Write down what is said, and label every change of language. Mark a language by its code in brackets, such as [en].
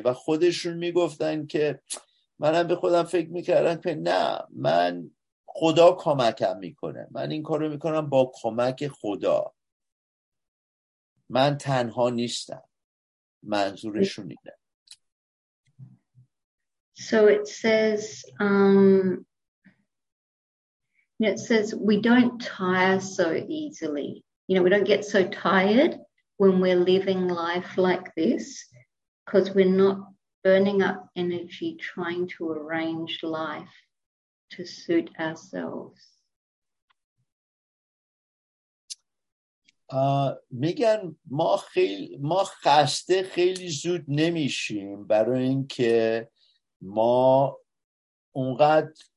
[fa] و خودشون میگفتن که منم به خودم فکر میکردم که نه، من خدا کمکم میکنه، من این کارو میکنم با کمک خدا، من تنها نیستم. منظورشون اینه. [en] So it says we don't tire so easily. You know, we don't get so tired when we're living life like this because we're not burning up energy trying to arrange life to suit ourselves. [fa] میگن ما خسته خیلی زود نمیشیم برای اینکه ما اونقدر